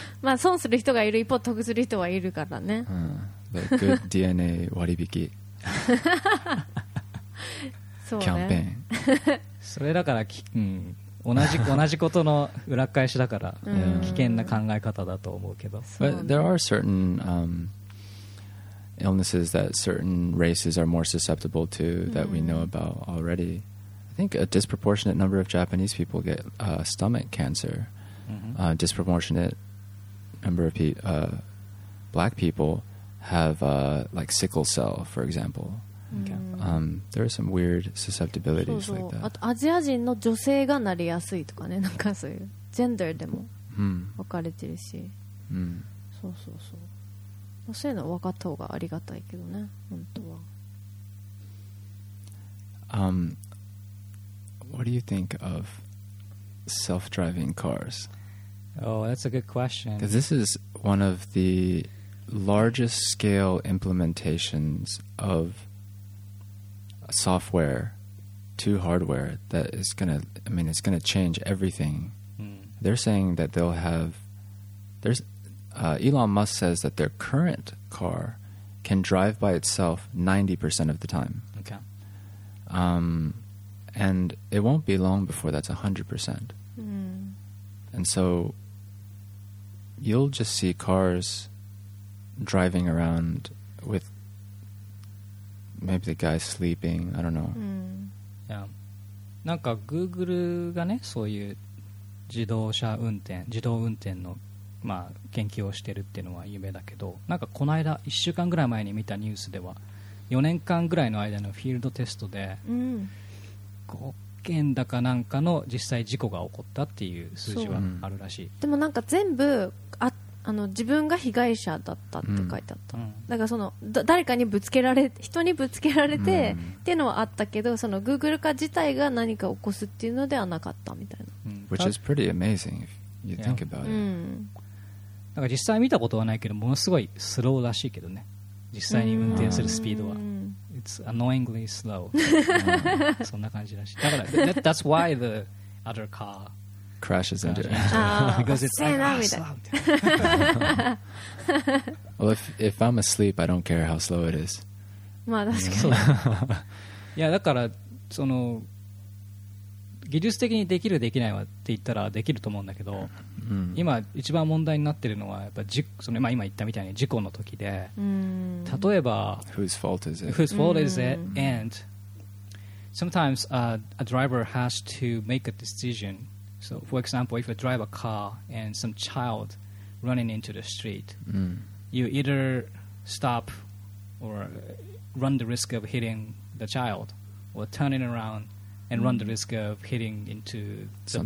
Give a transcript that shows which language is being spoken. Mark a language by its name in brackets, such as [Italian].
[Japanese] まあ損する人がいる一方得する人はいるからね。 [English] The good DNA [Japanese] 割引キャンペーン。それだから同じことの裏返しだから危険な考え方だと思うけど。 [English] But there are certain illnesses that certain races are more susceptible to that we know about already. think a disproportionate number of Japanese people get stomach cancer. Mm-hmm. Disproportionate number of black people have like sickle cell, for example. Okay. There are some weird susceptibilities [Japanese] そうそう [English] like that. [Japanese] あとアジア人の女性がなりやすいとかね、なんかそういうジェンダーでも分かれてるし、 mm. そうそうそう。そういうの分かった方がありがたいけどね、本当は。 [English] What do you think of self-driving cars? Oh, that's a good question. Because this is one of the largest scale implementations of software to hardware that is going to, I mean, it's going to change everything. Mm. They're saying that they'll have, there's, Elon Musk says that their current car can drive by itself 90% of the time. Okay. And it won't be long before that's 100%. Mm. And so you'll just see cars driving around with maybe the guy sleeping, I don't know. Mm. Yeah. [Japanese] なんか Google がね、そういう自動車運転、自動運転の、まあ、研究をしてるっていうのは有名だけど、なんかこの間1週間ぐらい前に見たニュースでは4年間ぐらいの間のフィールドテストで、うん、 5件だかなんかの実際事故が起こったっていう数字はあるらしい。でもなんか全部ああの自分が被害者だったって書いてあった、うん、だからその誰かにぶつけられ人にぶつけられて、うん、っていうのはあったけど、その Google 化自体が何か起こすっていうのではなかったみたいな、う [English] ん、Which is pretty amazing if you think about it、 [Japanese] うん、なんか実際見たことはないけどものすごいスローらしいけどね、実際に運転するスピードは、うん、 [English] It's annoyingly slow [Japanese] 、うん、そんな感じらしい。だから [English] That's why the other car crashes into it because it's like, ah, well, if I'm asleep I don't care how slow it is [Japanese] まあ確かに。いやだからその技術的にできるできないはって言ったらできると思うんだけど、うん、今一番問題になってるのはやっぱ事故、その、まあ、今言ったみたいに事故の時で、うん、例えば [English] Whose fault is it? Whose fault is it? And sometimes a driver has to make a decision. So for example, if you drive a car and some child running into the street, you either stop or run the risk of hitting the child or turning aroundand run the risk of hitting into the